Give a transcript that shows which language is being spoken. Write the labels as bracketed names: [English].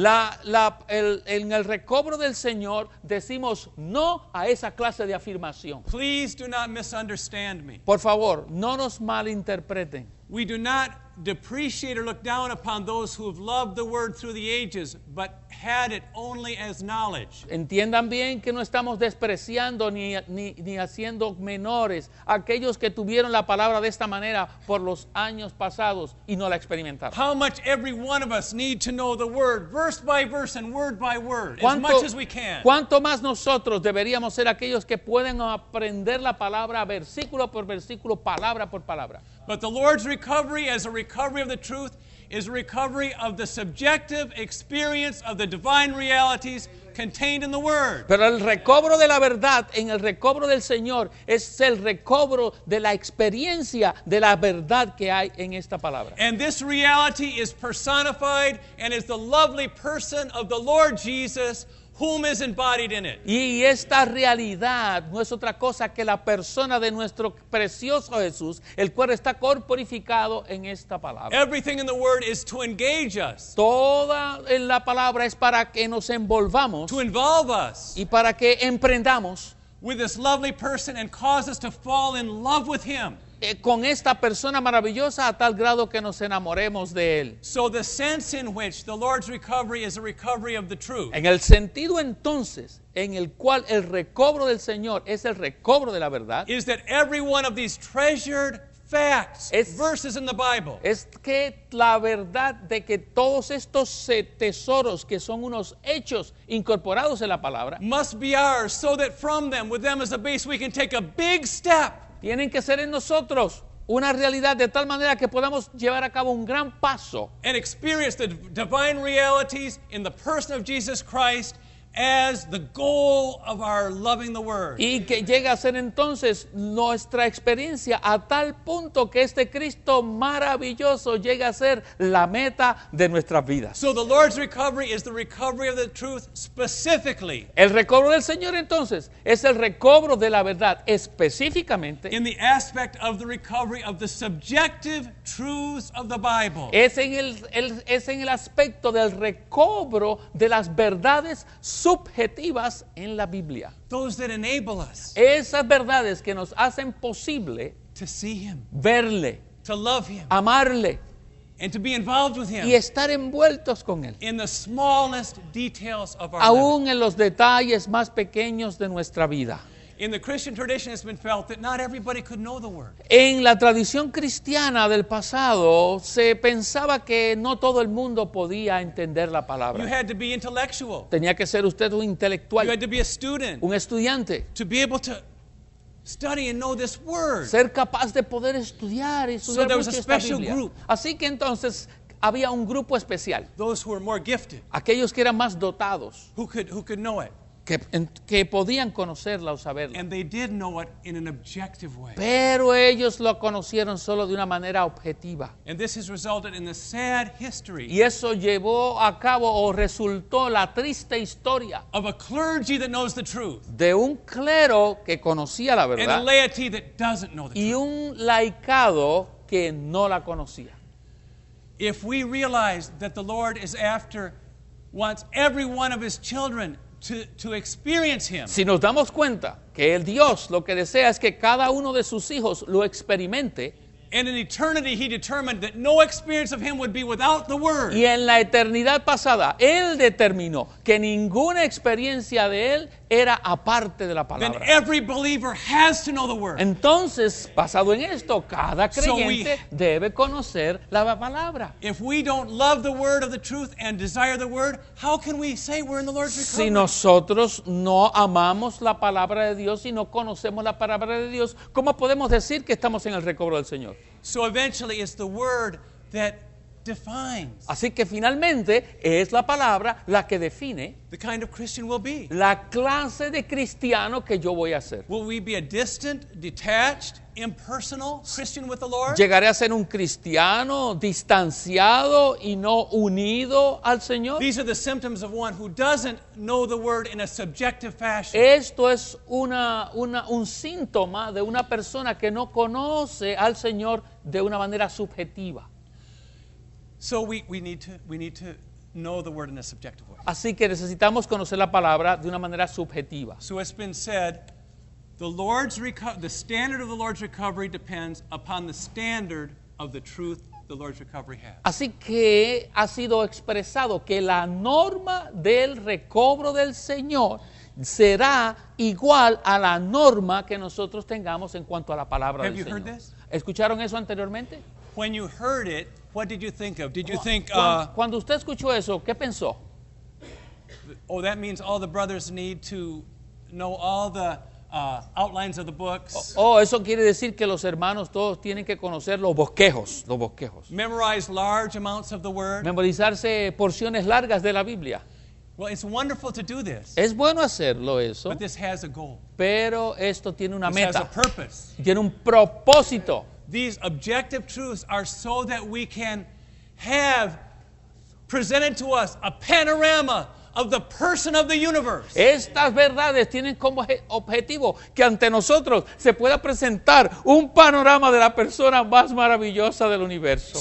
[Spanish] En el recobro del Señor decimos no a esa clase de afirmación. [English] Please do not misunderstand me. [Spanish] Por favor, no nos malinterpreten. [English] We do not depreciate or look down upon those who have loved the word through the ages, but had it only as knowledge. [Spanish] Entiendan bien que no estamos despreciando ni haciendo menores aquellos que tuvieron la palabra de esta manera por los años pasados y no la experimentaron. [English] How much every one of us need to know the word verse by verse and word by word, as much as we can. [Spanish] ¿Cuánto más nosotros deberíamos ser aquellos que pueden aprender la palabra versículo por versículo, palabra por palabra? [English] But the Lord's recovery as a recovery of the truth is recovery of the subjective experience of the divine realities contained in the word. [Spanish] Pero el recobro de la verdad en el recobro del Señor es el recobro de la experiencia de la verdad que hay en esta palabra. [English] And this reality is personified and is the lovely person of the Lord Jesus, whom is embodied in it. [Spanish] Y esta realidad no es otra cosa que la persona de nuestro precioso Jesús, el cual está corporificado en esta palabra. [English] Everything in the word is to engage us. [Spanish] Toda en la palabra es para que nos envolvamos. [English] To involve us. [Spanish] Y para que emprendamos. [English] With this lovely person and cause us to fall in love with him. [Spanish] Con esta persona maravillosa a tal grado que nos enamoremos de él. [English] So the sense in which the Lord's recovery is a recovery of the truth. [Spanish] En el sentido entonces en el cual el recobro del Señor es el recobro de la verdad. [English] Is that every one of these treasured facts, verses in the Bible. [Spanish] Es que la verdad de que todos estos tesoros que son unos hechos incorporados en la palabra. [English] Must be ours so that from them, with them as a base, we can take a big step. [Spanish] Tienen que ser en nosotros una realidad de tal manera que podamos llevar a cabo un gran paso. [English] And experience the divine realities in the person of Jesus Christ as the goal of our loving the word. [Spanish] Y que llegue a ser entonces nuestra experiencia a tal punto que este Cristo maravilloso llegue a ser la meta de nuestras vidas. [English] So the Lord's recovery is the recovery of the truth specifically. [Spanish] El recobro del Señor entonces es el recobro de la verdad específicamente. [English] In the aspect of the recovery of the subjective truths of the Bible. [Spanish] Es en el aspecto del recobro de las verdades subjetivas en la Biblia. [English] Those that enable us. [Spanish] Esas verdades que nos hacen posible. [English] To see him. [Spanish] Verle. [English] To love him. [Spanish] Amarle. [English] And to be involved with him. [Spanish] Y estar envueltos con él. [English] In the smallest details of our life. [Spanish] Aún en los detalles más pequeños de nuestra vida. [English] In the Christian tradition, it's been felt that not everybody could know the word. [Spanish] En la tradición cristiana del pasado, se pensaba que no todo el mundo podía entender la palabra. [English] You had to be intellectual. [Spanish] Tenía que ser usted un intelectual. [English] You had to be a student. [Spanish] Un estudiante. [English] To be able to study and know this word. [Spanish] Ser capaz de poder estudiar y estudiar. [English] So there was a special group. [Spanish] Así que entonces había un grupo especial. [English] Those who were more gifted. [Spanish] Aquellos que eran más dotados. [English] Who could know it. [Spanish] Que podían conocerla o saberla. [English] And they did know it in an objective way. [Spanish] Pero ellos lo conocieron solo de una manera objetiva. [English] And this has resulted in the sad history. [Spanish] Y eso llevó a cabo o resultó la triste historia. [English] Of a clergy that knows the truth. [Spanish] De un clero que conocía la verdad. [English] And a laity that doesn't know the truth. [Spanish] Y un laicado que no la conocía. [English] If we realize that the Lord is after, wants every one of his children to experience him. [Spanish] Si nos damos cuenta que el Dios lo que desea es que cada uno de sus hijos lo experimente. [English] And in eternity, he determined that no experience of him would be without the word. [Spanish] Y en la eternidad pasada, él determinó que ninguna experiencia de él era aparte de la palabra. [English] Then every believer has to know the word. [Spanish] Entonces, basado en esto, cada creyente debe conocer la palabra. [English] If we don't love the word of the truth and desire the word, how can we say we're in the Lord's recovery? [Spanish] Si nosotros no amamos la palabra de Dios y no conocemos la palabra de Dios, ¿cómo podemos decir que estamos en el recobro del Señor? [English] So eventually it's the word that defines. [Spanish] Así que finalmente es la palabra la que define [English] the kind of Christian we'll be. [Spanish] La clase de cristiano que yo voy a ser. [English] Will we be a distant, detached, impersonal Christian with the Lord? [Spanish] ¿Llegaré a ser un cristiano distanciado y no unido al Señor? [English] These are the symptoms of one who doesn't know the word in a subjective fashion. [Spanish] Esto es un síntoma de una persona que no conoce al Señor de una manera subjetiva. [English] So we need to know the word in a subjective way. [Spanish] Así que necesitamos conocer la palabra de una manera subjetiva. [English] So it's been said, the standard of the Lord's recovery depends upon the standard of the truth the Lord's recovery has. [Spanish] Así que ha sido expresado que la norma del recobro del Señor será igual a la norma que nosotros tengamos en cuanto a la palabra del Señor. [English] Have you heard this? [Spanish] ¿Escucharon eso anteriormente? [English] When you heard it, what did you think of? Did you think [Spanish] cuando usted escuchó eso, ¿qué pensó? [English] Oh, that means all the brothers need to know all the outlines of the books. [Spanish] Oh, eso quiere decir que los hermanos todos tienen que conocer los bosquejos. [English] Memorize large amounts of the word. [Spanish] Memorizarse porciones largas de la Biblia. [English] Well, it's wonderful to do this. [Spanish] Es bueno hacerlo eso. [English] But this has a goal. [Spanish] Pero esto tiene una [English] this [Spanish] meta. [English] This has a purpose. [Spanish] Tiene un propósito. [English] These objective truths are so that we can have presented to us a panorama of the person of the universe. [Spanish] Estas verdades tienen como objetivo que ante nosotros se pueda presentar un panorama de la persona más maravillosa del universo.